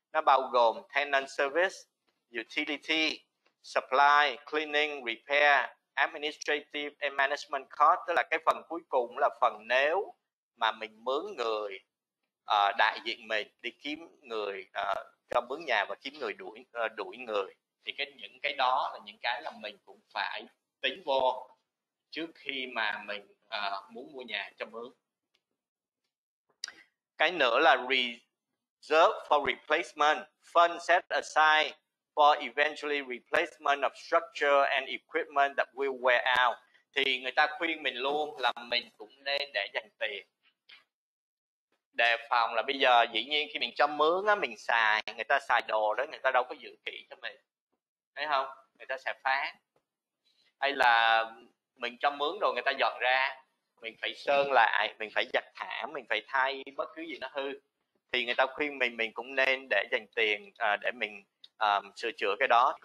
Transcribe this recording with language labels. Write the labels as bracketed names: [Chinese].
[Vietnamese] Nó bao gồm [English] tenant service, utility, supply, cleaning, repair, administrative and management cost, [Vietnamese] tức là cái phần cuối cùng là phần nếu mà mình mướn người đại diện mình đi kiếm người cho mướn nhà và kiếm người đuổi người, thì cái những cái đó là những cái là mình cũng phải tính vô trước khi mà mình muốn mua nhà cho mướn. Cái nữa là [English] reserve for replacement, fund set aside for eventually replacement of structure and equipment that will wear out. [Vietnamese] Thì người ta khuyên mình luôn là mình cũng nên để dành tiền đề phòng, là bây giờ dĩ nhiên khi mình cho mướn á, mình xài, người ta xài đồ đó, người ta đâu có giữ kỹ cho mình, thấy không, người ta sẽ phá. Hay là mình cho mướn đồ người ta dọn ra, mình phải sơn lại, mình phải giặt thảm, mình phải thay bất cứ gì nó hư, thì người ta khuyên mình cũng nên để dành tiền để mình sửa chữa cái đó.